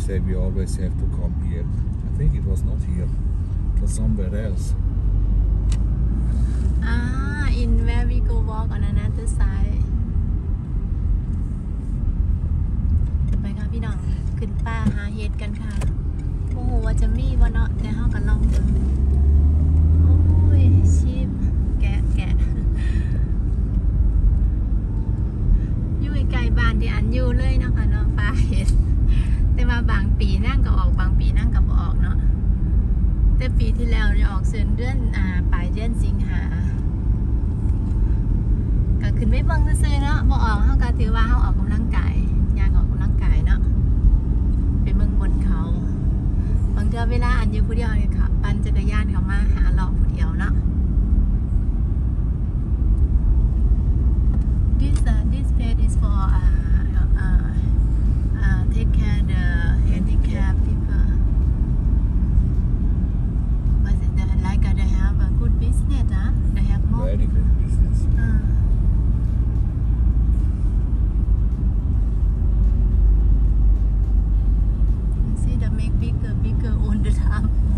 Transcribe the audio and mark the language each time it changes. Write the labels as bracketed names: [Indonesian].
[English] We always have to come here. I think it was not here. It was somewhere else. In where we go walk on another side. [Northeastern Thai] ไปค่ะพี่น้องขึ้นป้าหาเห็ดกันค่ะโอ้โหว่าจะมีวะเนาะแต่เฮาก็ลองดูโอ้ยชิบแกะอยู่ใกล้บ้านที่อันอยู่เลยนะคะเนาะป้าเห็ดแต่ว่าบางปีนั่งก็ออกบางปีนั่งก็บ่ออกเนาะแต่ปีที่แล้วเนี่ยออกเดือนปลายเดือนสิงหา ก็ขึ้นไปเบิ่งซื่อๆเนาะบ่ออกเฮาก็ถือว่าเฮาออกกําลังกายอยากออกกําลังกายเนาะไปเบิ่งบนเขาบางเทื่อเวลาอันอยู่ผู้เดียวนี่ค่ะปั่นจักรยานเข้ามาหาเราผู้เดียวเนาะ [English] This place is forTake care of the handicapped people. But they like they have a good business, huh? They have more. Very good business. You see, they make bigger all the time.